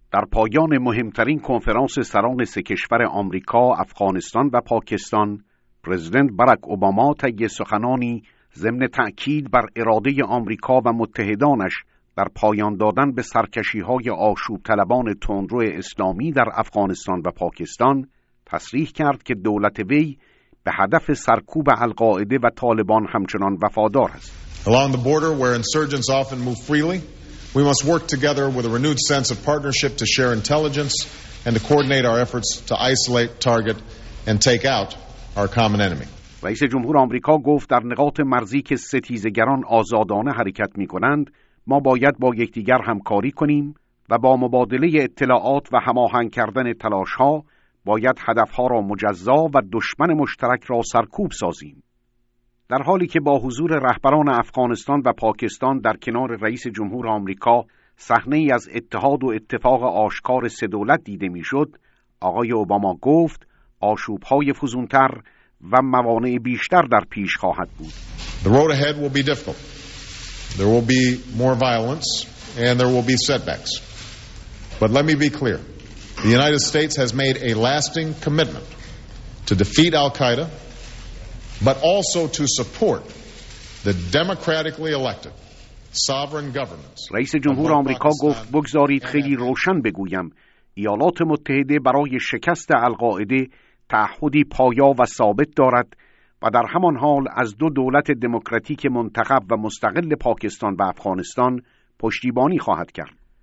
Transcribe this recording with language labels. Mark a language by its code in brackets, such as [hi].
[fa] در پایان مهمترین کنفرانس سران سه کشور آمریکا، افغانستان و پاکستان، پرزیدنت باراک اوباما طی سخنانی ضمن تأکید بر اراده آمریکا و متحدانش در پایان دادن به سرکشی‌های آشوب طلبان تندرو اسلامی در افغانستان و پاکستان، تصریح کرد که دولت وی به هدف سرکوب القاعده و طالبان همچنان وفادار است. [en] Along the border where insurgents often move freely, we must work together with a renewed sense of partnership to share intelligence and to coordinate our efforts to isolate, target and take out our common enemy. [fa] رئیس جمهور آمریکا گفت در نقاط مرزی که ستیزگران آزادانه حرکت می‌کنند، ما باید با یکدیگر همکاری کنیم و با مبادله اطلاعات و هماهنگ کردن تلاش‌ها باید هدف‌ها را مجزا و دشمن مشترک را سرکوب سازیم. در حالی که با حضور رهبران افغانستان و پاکستان در کنار رئیس جمهور آمریکا صحنه‌ای از اتحاد و اتفاق آشکار سه دولت دیده می‌شد، آقای اوباما گفت آشوب‌های فزون‌تر و موانع بیشتر در پیش خواهد بود. [en] The road ahead will be difficult. There will be more violence and there will be setbacks. But let me be clear. The United States has made a lasting commitment to defeat Al-Qaeda, but also to support the democratically elected sovereign governments. [fa] رئیس جمهور آمریکا گفت بگذارید خیلی روشن بگویم، ایالات متحده برای شکست القاعده تعهدی پایا و ثابت دارد و در همان حال از دو دولت دموکراتیک منتخب و مستقل پاکستان و افغانستان پشتیبانی خواهد کرد.